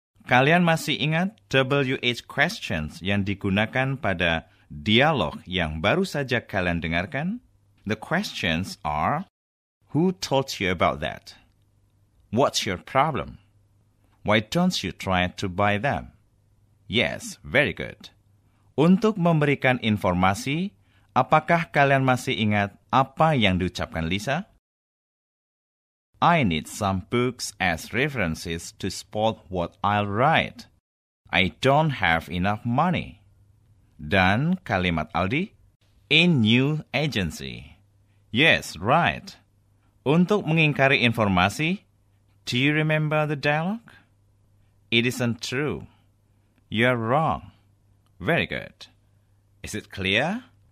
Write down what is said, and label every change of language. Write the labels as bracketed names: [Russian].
[Indonesian] Kalian masih ingat WH questions yang digunakan pada dialog yang baru saja kalian dengarkan? [English] The questions are, Who told you about that? What's your problem? Why don't you try to buy them? Yes, very good. [Indonesian] Untuk memberikan informasi, apakah kalian masih ingat apa yang diucapkan Lisa? [English] I need some books as references to support what I'll write. I don't have enough money. [Indonesian] Dan kalimat Aldi? [English] In new agency. Yes, right. [Indonesian] Untuk mengingkari informasi, [English] do you remember the dialogue? It isn't true. You're wrong. Very good. Is it clear?